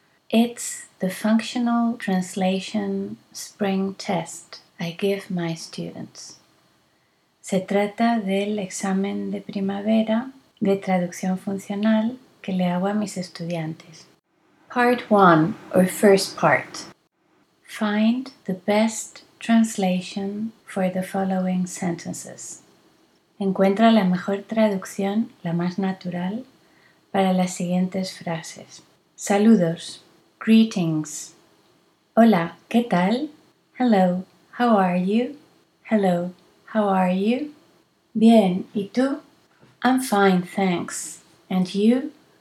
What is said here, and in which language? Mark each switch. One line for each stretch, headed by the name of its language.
English: It's the functional translation spring test I give my students.
Spanish: Se trata del examen de primavera de traducción funcional que le hago a mis estudiantes.
English: Part 1, or first part. Find the best translation for the following sentences.
Spanish: Encuentra la mejor traducción, la más natural, para las siguientes frases. Saludos.
English: Greetings.
Spanish: Hola, ¿qué tal?
English: Hello, how are you? Hello, how are you?
Spanish: Bien, ¿y tú?
English: I'm fine, thanks. And you?